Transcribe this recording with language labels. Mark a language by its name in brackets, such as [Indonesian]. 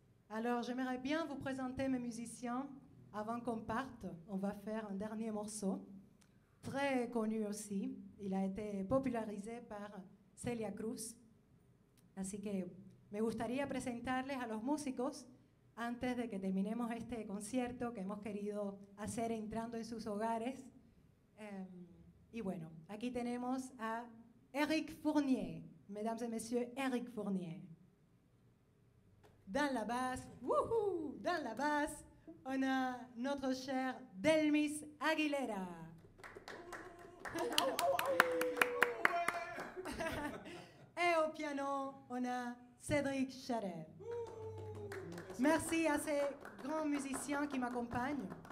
[French] Alors, j'aimerais bien vous présenter mes musiciens avant qu'on parte. On va faire un dernier morceau, très connu aussi. Il a été popularisé par Celia Cruz. [Spanish] Así que me gustaría presentarles a los músicos antes de que terminemos este concierto que hemos querido hacer entrando en sus hogares. Y bueno, aquí tenemos a Eric Fournier. [French] Mesdames et messieurs, Eric Fournier. Dans la basse, wouhou, dans la basse, on a notre chère Delmis Aguilera. Et au piano, on a Cédric Charret. Merci à ces grands musiciens qui m'accompagnent.